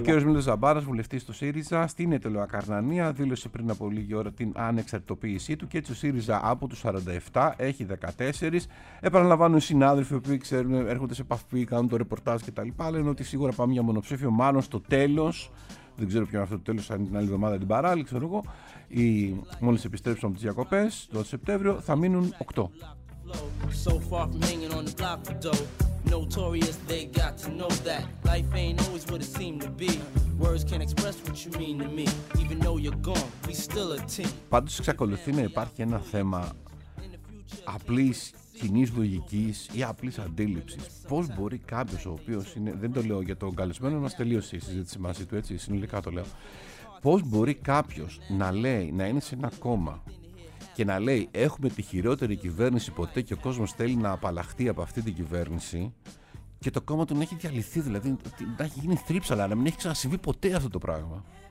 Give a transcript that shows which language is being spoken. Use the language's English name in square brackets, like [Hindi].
[Greek] Ο κύριος Μίλτος Ζαμπάρας, βουλευτής του ΣΥΡΙΖΑ, στην Ατωλοκαρνανία, δήλωσε πριν από λίγη ώρα την ανεξαρτητοποίησή του, και έτσι ο ΣΥΡΙΖΑ από τους 47 έχει 14. Επαναλαμβάνουν οι συνάδελφοι που ξέρουν, έρχονται σε επαφή, κάνουν το ρεπορτάζ κτλ. Λένε ότι σίγουρα πάμε για μονοψήφιο, μάλλον στο τέλος. Δεν ξέρω ποιο είναι αυτό το τέλος, αν την άλλη εβδομάδα την παράλληλη, ξέρω εγώ. Μόλις επιστρέψουμε από τις διακοπές, το Σεπτέμβριο, θα μείνουν 8. [English] So far from hanging on the block for dough. Notorious, they got to know that. Life ain't always what it seemed to be. Words can't express what you mean to me. Even though you're gone, we still a team. [Greek] Πάντως εξακολουθεί να υπάρχει ένα θέμα απλής κοινής λογικής ή απλής αντίληψης. Πώς μπορεί κάποιος ο οποίος είναι, δεν το λέω για τον καλεσμένο μας, τελείωσε η συζήτηση μαζί του, έτσι συνολικά το λέω, πώς μπορεί κάποιος να λέει, να είναι σε ένα κόμμα και να λέει έχουμε τη χειρότερη κυβέρνηση ποτέ και ο κόσμος θέλει να απαλλαχθεί από αυτή την κυβέρνηση και το κόμμα του να έχει διαλυθεί, δηλαδή να έχει γίνει θρύψαλα, να μην έχει ξανασυμβεί ποτέ αυτό το πράγμα?